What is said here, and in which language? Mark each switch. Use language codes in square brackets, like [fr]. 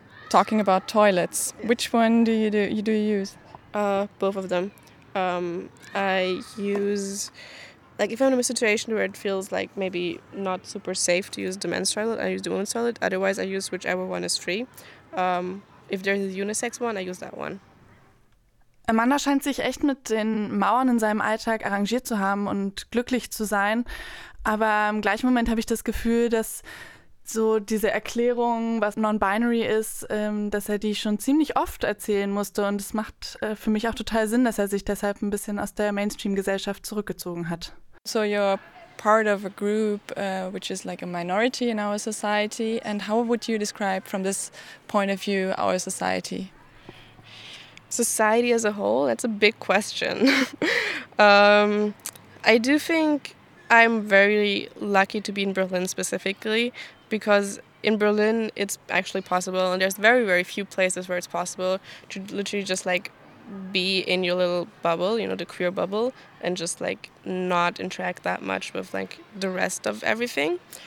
[en] Talking about toilets, yeah. Which one do you use? Both of them. I use, like, if I'm in a situation where it feels like maybe not super safe to use the men's toilet, I use the women's toilet. Otherwise, I use whichever one is free. If there's a unisex one, I use that one. [de] Amanda scheint sich echt mit den Mauern in seinem Alltag arrangiert zu haben und glücklich zu sein. Aber im gleichen Moment habe ich das Gefühl, dass so diese Erklärung, was non-binary ist, dass er die schon ziemlich oft erzählen musste. Und es macht für mich auch total Sinn, dass er sich deshalb ein bisschen aus der Mainstream-Gesellschaft zurückgezogen hat. [en] So you're part of a group which is like a minority in our society. And how would you describe from this point of view our society? Society as a whole? That's a big question. I do think I'm very lucky to be in Berlin specifically, because in Berlin it's actually possible, and there's very, very few places where it's possible to literally just like be in your little bubble, you know, the queer bubble, and just like not interact that much with like the rest of everything.